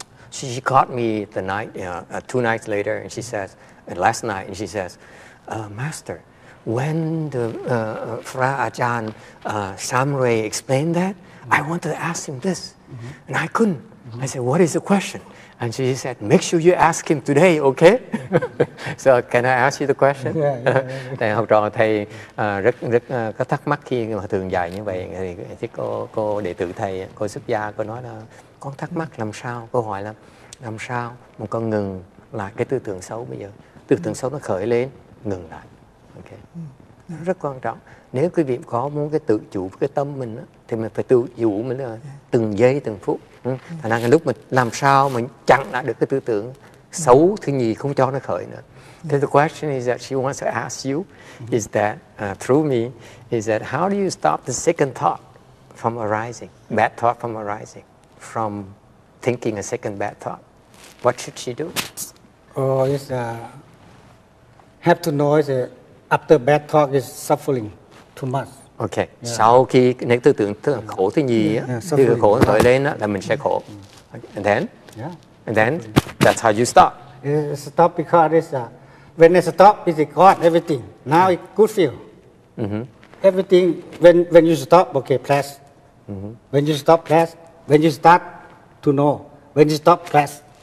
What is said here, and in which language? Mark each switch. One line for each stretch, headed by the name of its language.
English: So she caught me the night, two nights later, and she says, last night, and she says, Master, when the Fra Ajahn Samurai explained that, I wanted to ask him this. And I couldn't. I said, what is the question? And she said, make sure you ask him today, okay? So can I ask you the question?
Vietnamese: Thầy học trò thầy rất có thắc mắc khi mà thường dạy như vậy. Thì cô đệ tử thầy, cô xuất gia, cô nói là con thắc mắc làm sao? Cô hỏi là làm sao mà con ngừng lại cái tư tưởng xấu bây giờ? Tư tưởng xấu nó khởi lên, ngừng lại. Okay. Rất quan trọng. Nếu quý vị có muốn cái tự chủ với cái tâm mình đó, thì mình phải tự chủ mình là từng giây từng phút. Thành ra cái lúc mình làm sao mình chặn lại được cái tư tưởng xấu thứ nhì không cho nó khởi nữa.
English: So the question is that she wants to ask you is that through me is that how do you stop the second thought from arising, bad thought from arising, from thinking a second bad thought? What should she do? Oh, it's have to know that after bad thought is suffering. Too much. Okay. Yeah.
Vietnamese: Sau khi nếu tư tưởng tức là khổ thứ nhì á, tư tưởng khổ khởi lên á, là mình sẽ khổ.
English: And then, yeah. And then, that's how you stop. Stop because it's when I stop, it's gone everything. Now it good feel. Everything when you stop, okay, press. When you stop, press. When you start to know. When you stop, press.